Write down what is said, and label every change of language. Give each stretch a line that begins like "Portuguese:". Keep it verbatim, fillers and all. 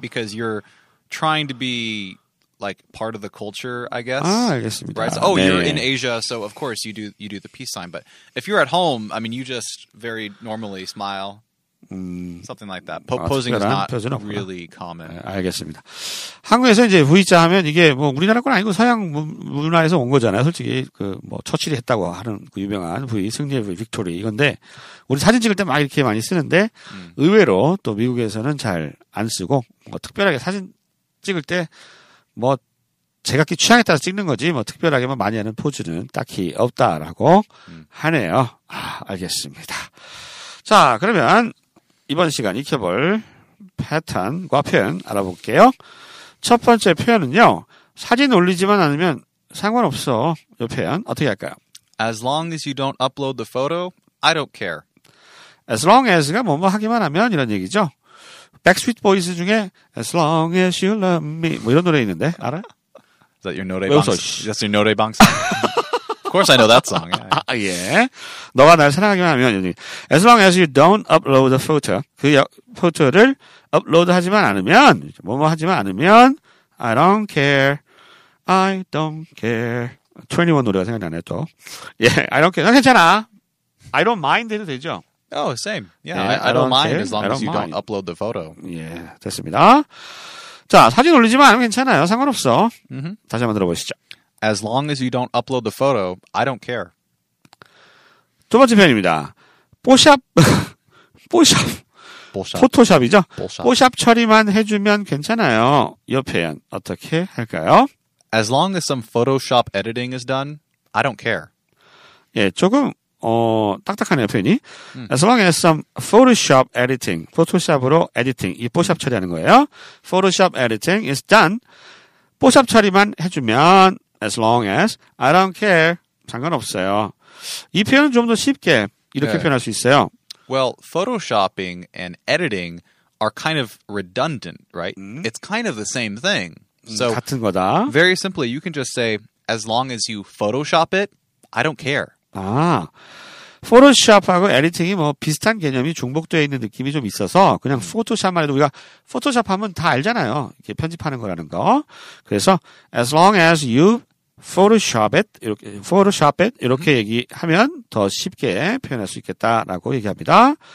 English: Because you're trying to be like part of the culture, I guess.
Korean: Ah, 알겠습니다.
English: Right? So, oh, 네. You're in Asia, so of course you do you do the peace sign. But if you're at home, I mean, you just very normally smile, 음, something like that. Po- 아, posing is not really common.
Korean: 네, 알겠습니다. 한국에서 이제 V자 하면 이게 뭐 우리나라 건 아니고 서양 문화에서 온 거잖아요. 솔직히 그 뭐 처칠이 했다고 하는 그 유명한 V, 승리의 V, 빅토리 이건데 우리 사진 찍을 때 막 이렇게 많이 쓰는데 음. 의외로 또 미국에서는 잘 안 쓰고 뭐 특별하게 사진 찍을 때 뭐 제각기 취향에 따라서 찍는 거지 뭐 특별하게 뭐 많이 하는 포즈는 딱히 없다라고 음. 하네요. 아, 알겠습니다. 자, 그러면 이번 시간 익혀볼 패턴과 표현 알아볼게요. 첫 번째 표현은요. 사진 올리지만 않으면 상관없어. 이 표현 어떻게 할까요?
English: As long as you don't upload the photo, I don't care.
Korean: As long as가 뭐뭐 하기만 하면 이런 얘기죠. Backstreet Boys 중에 As Long As You Love Me 뭐 이런 노래 있는데 알아?
English: Is that your 노래방? That's your 노래방 song? Of course I know that song.
Korean: 아, 예. 너가 날 사랑하기만 하면
English: As Long As You Don't Upload a Photo
Korean: 그 포토를 업로드 하지만 않으면 뭐뭐 하지만 않으면
English: I don't care I don't care
Korean: 이십일 노래가 생각나네 또 예,
English: I don't care
Korean: 괜찮아
English: I don't mind
Korean: 해도 되죠
English: Oh, same. Yeah, yeah I, I don't, don't mind care. As long as you mind. don't upload the photo.
Korean: 예, 됐습니다. 자, 사진 올리지만 않으면 괜찮아요. 상관없어. Mm-hmm. 다시 한번 들어보시죠.
English: As long as you don't upload the photo, I don't care.
Korean: 두 번째 표현입니다. 뽀샵, 뽀샵, 뽀샵. 포토샵이죠? 뽀샵. 뽀샵 처리만 해주면 괜찮아요. 이 표현 어떻게 할까요?
English: As long as some Photoshop editing is done, I don't care.
Korean: 예, 조금... 어, 딱딱하네요, 표현이. 음.
English: As long as some Photoshop editing,
Korean: 포토샵으로 에디팅, 이 포샵 처리하는 거예요.
English: Photoshop editing is done.
Korean: 포샵 처리만 해주면
English: as long as I don't care,
Korean: 상관없어요. 이 표현은 좀 더 쉽게 이렇게 네. 표현할 수 있어요.
English: Well, photoshopping and editing are kind of redundant, right?
Korean: 음?
English: It's kind of the same thing.
Korean: So, 같은 거다.
English: Very simply, you can just say as long as you Photoshop it, I don't care.
Korean: 아, 포토샵하고 에디팅이 뭐 비슷한 개념이 중복되어 있는 느낌이 좀 있어서 그냥 포토샵만 해도 우리가 포토샵 하면 다 알잖아요. 이렇게 편집하는 거라는 거. 그래서
English: as long as you Photoshop it,
Korean: 이렇게, Photoshop it, 이렇게 음. 얘기하면 더 쉽게 표현할 수 있겠다라고 얘기합니다.